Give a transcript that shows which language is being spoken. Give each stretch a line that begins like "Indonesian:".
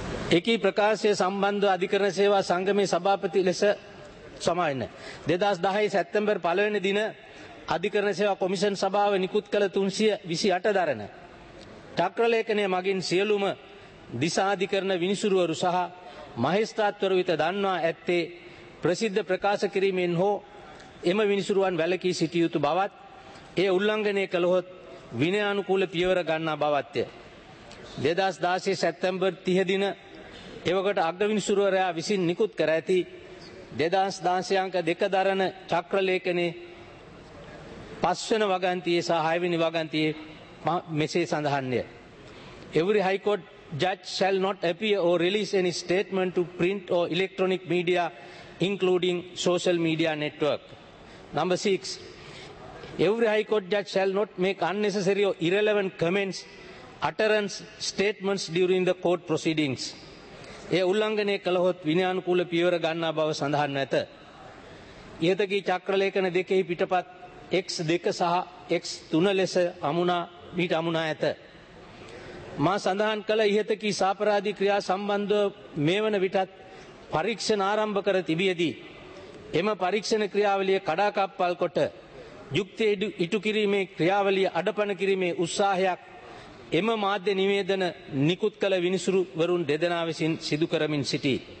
Sinhala: එකී ප්‍රකාශය සම්බන්ධ අධිකරණ සේවා සංගමේ සභාපති ලෙස සමාවෙන්න 2010 සැප්තැම්බර් 1 දින අධිකරණ සේවා කොමිෂන් සභාව නිකුත් කළ 328 දරණ චක්‍රලේඛනය මගින් සියලුම දිසා අධිකරණ විනිසුරුවරු සහ මහේස්ත්‍රාත්වරු වෙත දන්වා ඇත්තේ ප්‍රසිද්ධ ප්‍රකාශ කිරීමෙන් හෝ එම විනිසුරුවන් වැළකී සිටිය යුතු බවත් ඒ උල්ලංඝනය කළහොත් විනයානුකූල පියවර ගන්නා බවත්ය. 2016 සැප්තැම්බර් 30 දින එවකට අග්‍රවිනිසුරුවරයා විසින් නිකුත් කර ඇති 2016 අංක 2 දරණ චක්‍රලේඛනයේ 5 වන වගන්තියේ සහ 6 වන වගන්තියේ මෙසේ සඳහන්ය.
English: Every High Court judge shall not appear or release any statement to print or electronic media including social media network. Number 6. Every High Court judge shall not make unnecessary or irrelevant comments, utterance, statements during the court proceedings.
Sinhala: ඒ උල්ලංඝනය කළහොත් විනයානුකූල පියවර ගන්නා බව සඳහන් නැත. ඊතකී චක්‍රලේඛන දෙකෙහි පිටපත් X2 සහ X3 ලෙස අමුණා ඇත. මා සඳහන් කළ ඊතකී සාපරාධී ක්‍රියා සම්බන්ධ මේවන විටත් පරීක්ෂණ ආරම්භ කර තිබියදී එම පරීක්ෂණ ක්‍රියාවලිය කඩාකප්පල් කොට යුක්තිය ඉටු කිරීමේ ක්‍රියාවලිය අඩපණ කිරීමේ උත්සාහයක් එම මාධ්‍ය නිවේදන නිකුත් කළ විනිසුරුවරුන් දෙදෙනා විසින් සිදු කරමින් සිටී.